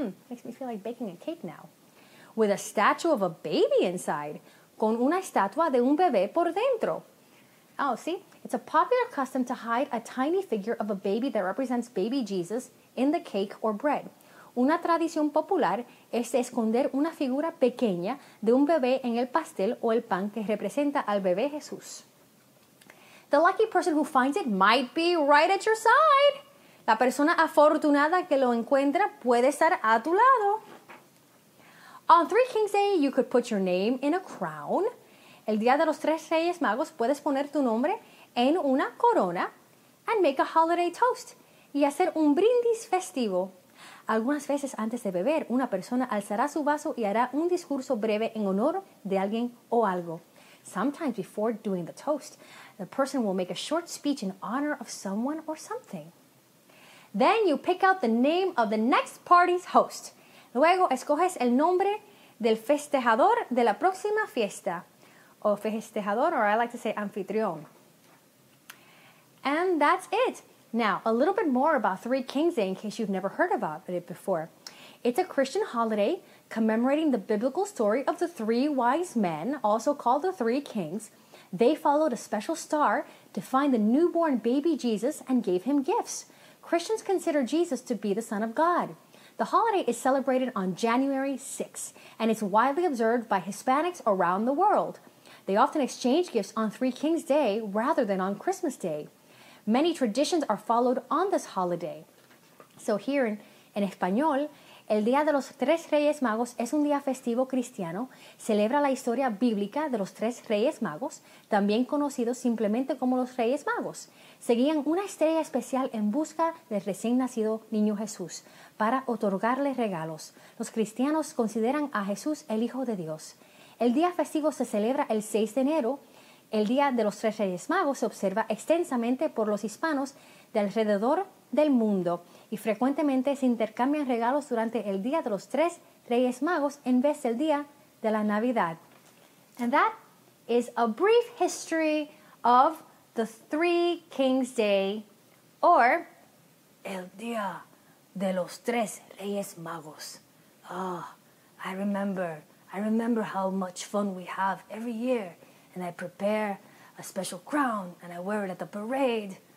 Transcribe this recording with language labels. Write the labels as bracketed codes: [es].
[en] Makes me feel like baking a cake now. With a statue of a baby inside. [es] Con una estatua de un bebé por dentro. [en] Oh, see? It's a popular custom to hide a tiny figure of a baby that represents baby Jesus in the cake or bread. [es] Una tradición popular es esconder una figura pequeña de un bebé en el pastel o el pan que representa al bebé Jesús. [en] The lucky person who finds it might be right at your side. [es] La persona afortunada que lo encuentra puede estar a tu lado. [en] On Three Kings Day, you could put your name in a crown. [es] El día de los tres reyes magos, puedes poner tu nombre en una corona [en] and make a holiday toast [es] y hacer un brindis festivo. Algunas veces antes de beber, una persona alzará su vaso y hará un discurso breve en honor de alguien o algo. [en] Sometimes before doing the toast, the person will make a short speech in honor of someone or something. Then you pick out the name of the next party's host. [es] Luego escoges el nombre del festejador de la próxima fiesta. O festejador, [en] or I like to say anfitrión. And that's it. Now, a little bit more about Three Kings Day in case you've never heard about it before. It's a Christian holiday commemorating the biblical story of the three wise men, also called the three kings. They followed a special star to find the newborn baby Jesus and gave him gifts. Christians consider Jesus to be the Son of God. The holiday is celebrated on January 6th, and it's widely observed by Hispanics around the world. They often exchange gifts on Three Kings Day rather than on Christmas Day. Many traditions are followed on this holiday. So here in [es] Español, el Día de los Tres Reyes Magos es un día festivo cristiano. Celebra la historia bíblica de los Tres Reyes Magos, también conocidos simplemente como los Reyes Magos. Seguían una estrella especial en busca del recién nacido niño Jesús para otorgarle regalos. Los cristianos consideran a Jesús el Hijo de Dios. El día festivo se celebra el 6 de enero. El Día de los Tres Reyes Magos se observa extensamente por los hispanos de alrededor del mundo y frecuentemente se intercambian regalos durante el Día de los Tres Reyes Magos en vez del Día de la Navidad. [en] And that is a brief history of the Three Kings Day, or [es] el Día de los Tres Reyes Magos. [en] Ah, I remember how much fun we have every year, and I prepare a special crown and I wear it at the parade.